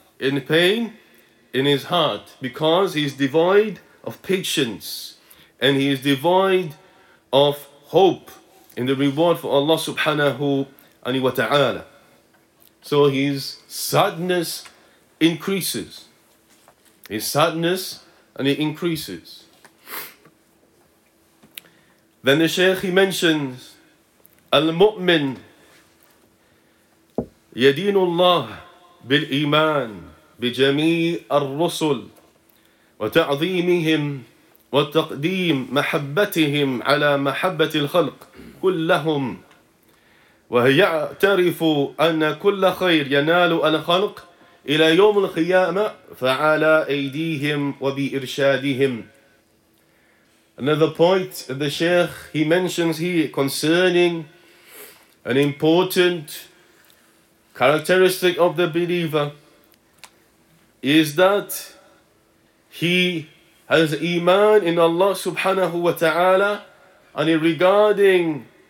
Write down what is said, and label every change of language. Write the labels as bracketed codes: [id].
[en] In pain in his heart, because he is devoid of patience and he is devoid of hope in the reward for Allah subhanahu wa ta'ala. So his sadness increases. His sadness and it increases. Then the Shaykh, he mentions, [ar] Al-Mu'min Yadeenu Allah Bil-Iman بِجَمِيعِ الرُّسُلِ وَتَعْظِيمِهِمْ وَتَقْدِيمِ مَحَبَّتِهِمْ عَلَى مَحَبَّةِ الْخَلْقِ كُلَّهُمْ وَيَعْتَرِفُ أَنَّ كُلَّ خَيْرٍ يَنَالُ الْخَلْقِ إِلَى يَوْمِ الْقِيَامَةِ فَعَلَى أَيْدِيهِمْ وَبِإِرْشَادِهِمْ. [en] Another point of the Shaykh, he mentions here concerning an important characteristic of the believer, is that he has iman in Allah subhanahu wa ta'ala, and regarding